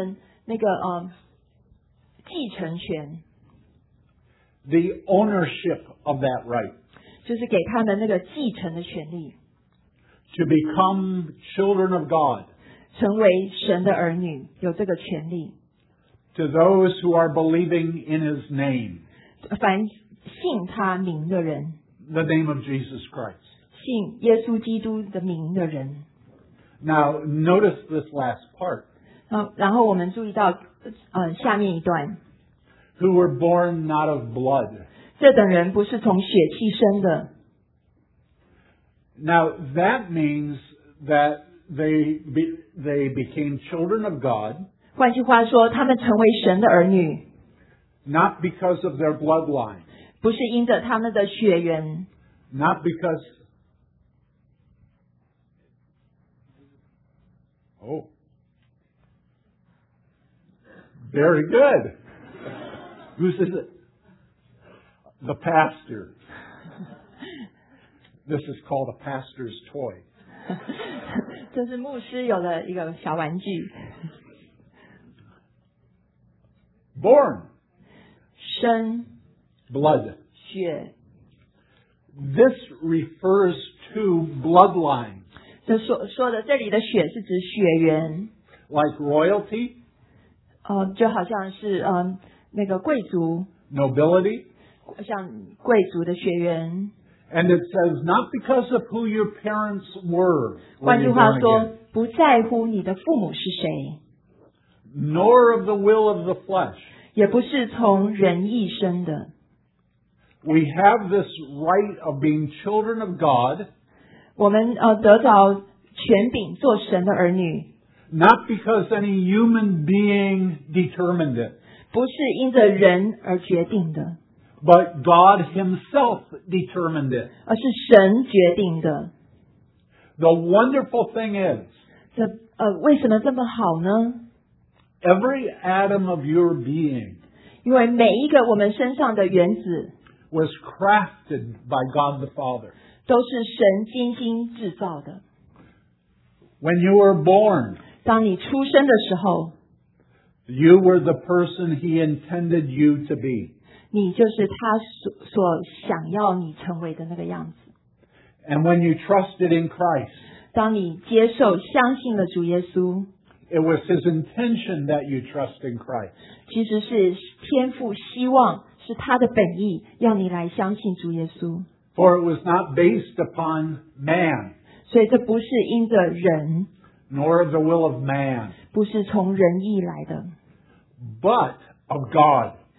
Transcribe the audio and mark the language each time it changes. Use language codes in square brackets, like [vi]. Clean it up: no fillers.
[zh] 他就赐他们那个继承权。 [en] The ownership of that right. [zh] 就是给他们那个继承的权利。 [en] To become children of God. [zh] 成为神的儿女，有这个权利。 [en] To those who are believing in his name. [zh] 凡信他名的人, [en] the name of Jesus Christ. [zh] 信耶稣基督的名的人。 [en] Now, notice this last part. [zh] 然后我们注意到下面一段。 [en] Who were born not of blood. [zh] 这等人不是从血气生的。 [en] Now, that means that they became children of God. [zh] 换句话说,他们成为神的儿女。 [en] Not because of their bloodline. [zh] 不是因着他们的血缘。 [en] Not because... Oh. Very good. Who says it? The pastor. This is called a pastor's toy. [zh] 这是牧师有的一个小玩具。 [en] Born. [zh] 生, [en] blood. [zh] 血, [en] this refers to bloodline. [zh] 这里的血是指血缘, [en] like royalty. [zh] 就好像是那个贵族, [en] nobility. [zh] 像贵族的血缘, [en] and it says, not because of who your parents were. [zh] 换句话说, 不在乎你的父母是谁, [en] nor of the will of the flesh. [zh] 也不是从人意生的。 [en] We have this right of being children of God. [zh] 我们得到权柄做神的儿女。 [en] Not because any human being determined it. [zh] 不是因着人而决定的。 [en] But God himself determined it. [zh] 而是神决定的。 [en] The wonderful thing is, [zh] 为什么这么好呢? [en] Every atom of your being, [zh] 因为每一个我们身上的原子, [en] was crafted by God the Father. [zh] 都是神精心制造的。 [en] When you were born, [zh] 当你出生的时候, [en] you were the person he intended you to be. [zh] 你就是他所想要你成为的那个样子。 [en] And when you trusted in Christ, [zh] 当你接受相信了主耶稣, [en] it was his intention that you trust in Christ. [zh] 其实是天父希望, 是他的本意, 要你来相信主耶稣。 [en] For it was not based upon man. [zh] 所以这不是因着人, [en] nor of the will of man. [zh] 不是从人意来的, [en] but of God.